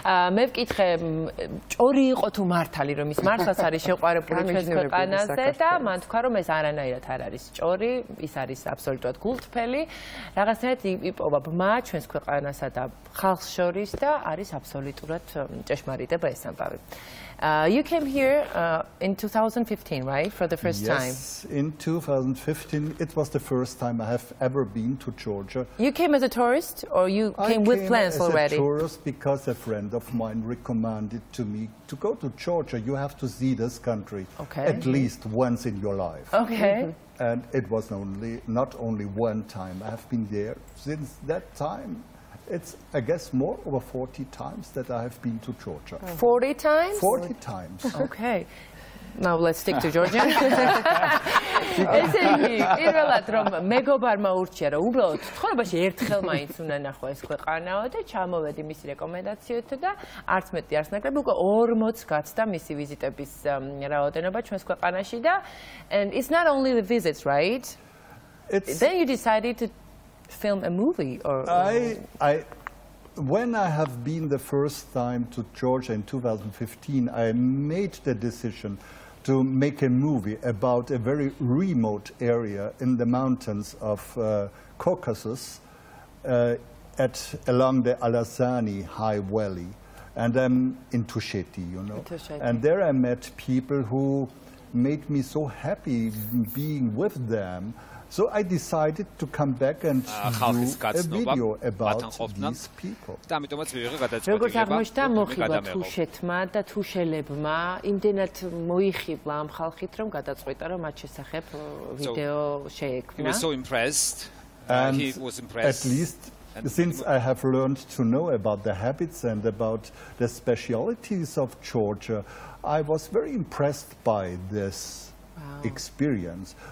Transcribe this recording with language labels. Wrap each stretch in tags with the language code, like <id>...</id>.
<ka>მეკითხე, ორი იყო თუ მართალი, რომ ის მართლაც არის შეყვარებული ჩვენს ქვეყანაზე და მან თქვა, რომ ეს არანაირად არ არის ჭორი, ის არის აბსოლუტურად გულთფელი. რაღაცნაირად იპოვა ბმა ჩვენს ქვეყანასა და ხალხს შორის და არის აბსოლუტურად ჭეშმარიტება ეს ამბავი.</ka> <en>You came here in 2015, right? For the first time. Yes, in 2015, it was the first time I have ever been to Georgia. You came as a tourist or you came with plans already? I came as a tourist because a friend of mine recommended to me to go to Georgia. You have to see this country at least once in your life. Okay. And it was not only one time. I have been there since that time. It's, I guess, more over 40 times that I have been to Georgia. 40 times? 40 times. Okay. Now let's stick to Georgia.</en> <ka>ესე იგი, პირველად რომ მეგობარმა ურჩია რომ უბრალოდ ცხოვრებაში ერთხელ მაინც უნდა ნახო ეს ქვეყანაო და ჩამოვედი მისი რეკომენდაციით და არც მეტი არც ნაკლები, უკვე 40 გაცდა მისი ვიზიტების რაოდენობა ჩვენს ქვეყანაში და</ka> <en>and it's not only the visits, right? Then you decided to film a movie or I when I have been the first time to Georgia in 2015 I made the decision to make a movie about a very remote area in the mountains of Caucasus at along the Alasani high valley and I'm in Tusheti you know and there I met people who made me so happy being with them So I decided to come back and do a video about these people.</en> <ka>და ამიტომაც მივიღე გადაწყვეტილება. როგორც აღმოჩნდა მოხიბლა თუშეთმა და თუშელებმა, იმდენად მოიხიბლა ამ ხალხით რომ გადაწყვიტა რომ მათ შესახებ ვიდეო შეექმნა.</ka> <en>He was so impressed. And he was impressed. At least since I have learned to know about the habits and about the specialities of Georgia, I was very impressed by this experience.</en>